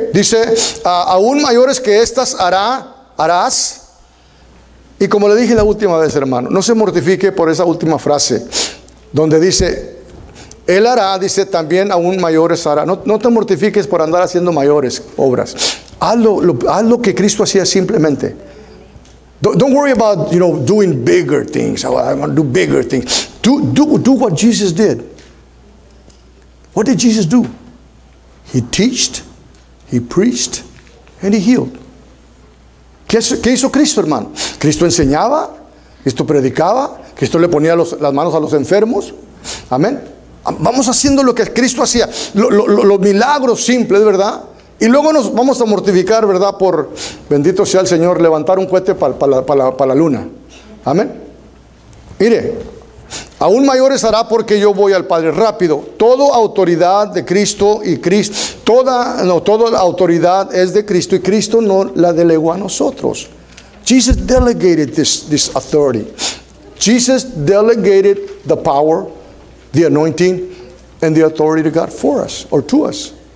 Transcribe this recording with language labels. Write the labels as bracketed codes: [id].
[es] Dice, aún mayores que estas harás. Y como le dije la última vez, hermano, no se mortifique por esa última frase, donde dice, Él hará, dice, también aún mayores hará. No te mortifiques por andar haciendo mayores obras. Haz lo que Cristo hacía simplemente. [en] Don't worry about, you know, doing bigger things. I want to do bigger things. Do what Jesus did. What did Jesus do? He teached, he preached, and he healed. [es] ¿Qué hizo Cristo, hermano? Cristo enseñaba, Cristo predicaba, Cristo le ponía las manos a los enfermos. Amén. Vamos haciendo lo que Cristo hacía, los milagros simples, ¿verdad? Y luego nos vamos a mortificar, ¿verdad? Por, bendito sea el Señor, levantar un cohete para la luna. Amén. Mire, aún mayores hará porque yo voy al Padre. Rápido, toda autoridad de Cristo y Cristo, toda la autoridad es de Cristo y Cristo no la delegó a nosotros. [en] Jesus delegated this authority. Jesus delegated the power, the anointing, and the authority to God for us, or to us.